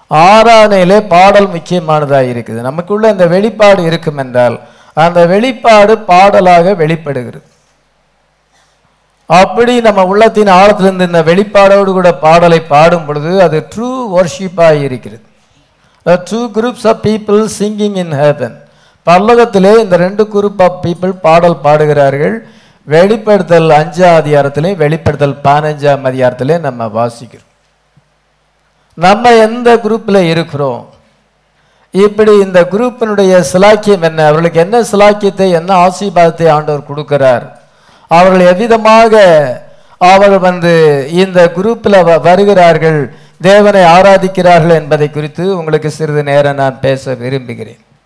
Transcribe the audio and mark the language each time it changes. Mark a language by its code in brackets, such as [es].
[ta] ஆராதனையிலே பாடல் முக்கியமானதாக இருக்குது. நமக்குள்ள இந்த வெளிப்பாடு இருக்கும் என்றால் அந்த வெளிப்பாடு பாடலாக வெளிப்படுகிறது. அப்படி நம்ம உள்ளத்தின் ஆழத்திலிருந்து இந்த வெளிப்பாடோடு கூட பாடலை பாடும் பொழுது அது ட்ரூ வர்ஷிப்பாக இருக்கிறது. [en] The two groups of people singing in heaven. [ta] பரலோகத்திலே இந்த ரெண்டு [en] group of people [ta] பாடல் பாடுகிறார்கள். வெளிப்படுத்தல் 5 அதிகாரத்திலையும் வெளிப்படுத்தல் 15 அதிகாரத்திலையும் நம்ம வாசிக்கிறோம். நம்ம எந்த குரூப்பில் இருக்கிறோம், இப்படி இந்த குரூப்பினுடைய சிலாக்கியம் என்ன, அவர்களுக்கு என்ன சிலாக்கியத்தை என்ன ஆசீர்வாதத்தை ஆண்டவர் கொடுக்கிறார், அவர்கள் எவ்விதமாக அவர்கள் வந்து இந்த குரூப்பில் வருகிறார்கள், தேவனை ஆராதிக்கிறார்கள் என்பதை குறித்து உங்களுக்கு சிறிது நேரம் நான் பேச விரும்புகிறேன்.